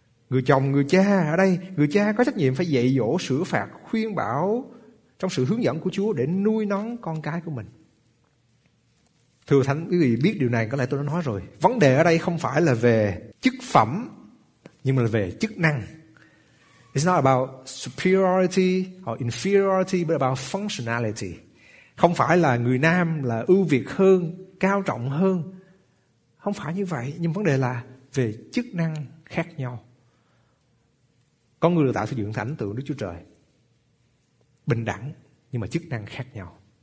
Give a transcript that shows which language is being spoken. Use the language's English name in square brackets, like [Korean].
[Vietnamese] Người chồng, người cha ở đây, người cha có trách nhiệm phải dạy dỗ, sửa phạt, khuyên bảo trong sự hướng dẫn của Chúa để nuôi nấng con cái của mình. Thưa Thánh, quý vị biết điều này, có lẽ tôi đã nói rồi. Vấn đề ở đây không phải là về chức phẩm, nhưng mà là về chức năng. [English] It's not about superiority or inferiority, but about functionality. [Vietnamese] Không phải là người nam là ưu việt hơn, cao trọng hơn. Không phải như vậy. Nhưng vấn đề là về chức năng khác nhau. Con người được tạo sử dụng thánh tượng Đức Chúa Trời, bình đẳng nhưng mà chức năng khác nhau.